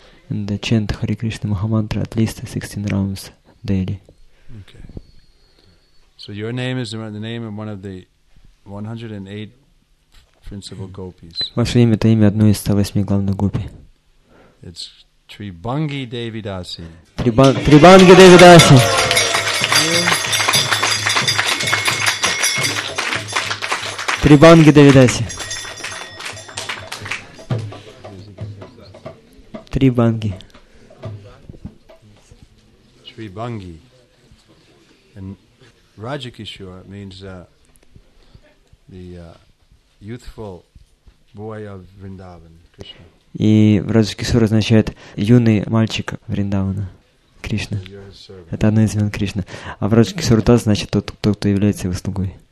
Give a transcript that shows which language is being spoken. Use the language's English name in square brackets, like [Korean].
[English] And the chant Hare Krishna Maha Mantra at least 16 rounds daily. Okay. So your name is the name of one of the 108 principal gopis. [Russian] Ваше имя — это имя одной из 108 главных гопи. [English] It's Tribhangi Devidasi. Tribhangi Devidasi. Tribhangi Devidasi. Tribhangi. Tribhangi. And Rajakishore means youthful boy of Vrindavan, Krishna. [Russian] И в Раджа-кисура означает юный мальчик Вриндавана, Кришна. Это одно из имен Кришны. А в Раджа-кисура-таз значит тот, кто является его слугой.